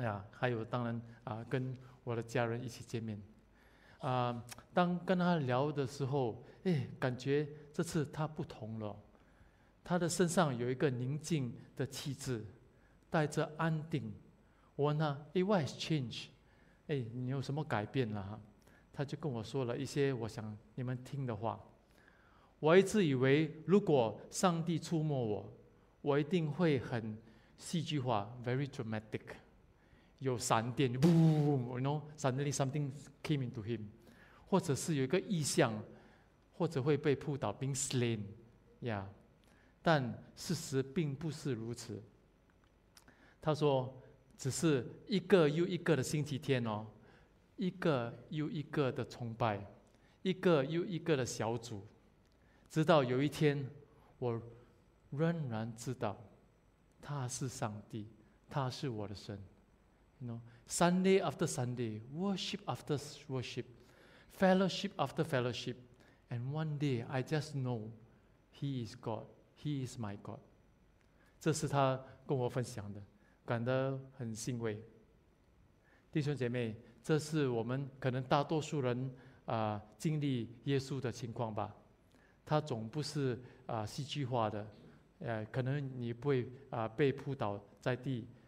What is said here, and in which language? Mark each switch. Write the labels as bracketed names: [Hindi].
[Chinese] 还有当然跟我的家人一起见面当跟他聊的时候感觉这次他不同了，他的身上有一个宁静的气质，带着安定。我问他 [English] What has changed？ [Chinese] 你有什么改变了？他就跟我说了一些我想你们听的话。我一直以为如果上帝触摸我，我一定会很戏剧化 [English] very dramatic， [Chinese] 有闪电 [English] boom, you know, suddenly something came into him， [Chinese] 或者是有一个异象，或者会被扑倒 [English] being slain、 [Chinese] yeah. 但事实并不是如此。他说只是一个又一个的星期天、哦、一个又一个的崇拜，一个又一个的小组，直到有一天我仍然知道他是上帝，他是我的神。 [English] You know, Sunday after Sunday, worship after worship, fellowship after fellowship, and one day I just know He is God, He is my God. [Chinese] 这是他跟我分享的，感到很欣慰。弟兄姐妹，这是我们可能大多数人经历耶稣的情况吧。他总不是戏剧化的，可能你不会被扑倒在地。